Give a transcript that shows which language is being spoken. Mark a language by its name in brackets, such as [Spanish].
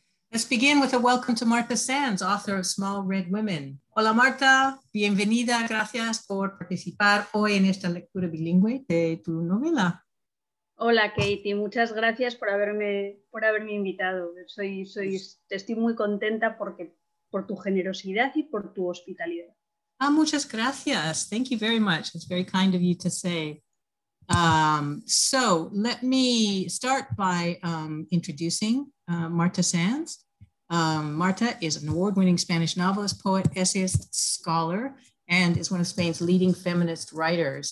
[English] Let's begin with a welcome to Marta Sanz, author of Small Red Women. [Spanish] Hola, Marta. Bienvenida. Gracias por participar hoy en esta lectura bilingüe de tu novela. Hola, Katie. Muchas gracias por haberme invitado. Estoy muy contenta por tu generosidad y por tu hospitalidad. [English] Ah, [Spanish] muchas gracias. [English] Thank you very much. It's very kind of you to say. So let me start by introducing Marta Sanz. Marta is an award-winning Spanish novelist, poet, essayist, scholar, and is one of Spain's leading feminist writers.